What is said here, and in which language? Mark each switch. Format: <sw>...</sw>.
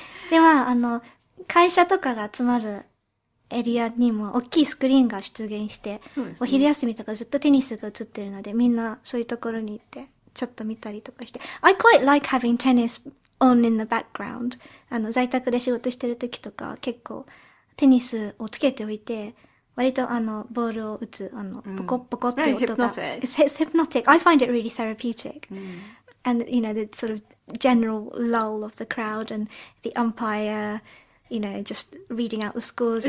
<ja>では、会社とかが集まるエリアにも、大きいスクリーンが出現して、そうですね、お昼休みとかずっとテニスが映ってるので、みんなそういうところに行って、ちょっと見たりとかして。</ja> <en>I quite like having tennis on in the background.</en> <ja>在宅で仕事してる時とか、結構、テニスをつけておいて、割とボールを打つ、ポコッポコッって音が。</ja> <en>It's hypnotic. I find it really therapeutic.、</en> <ja>うん、</ja> <en>and, you know, the sort of general lull of the crowd and the umpire, you know, just reading out the scores.</en>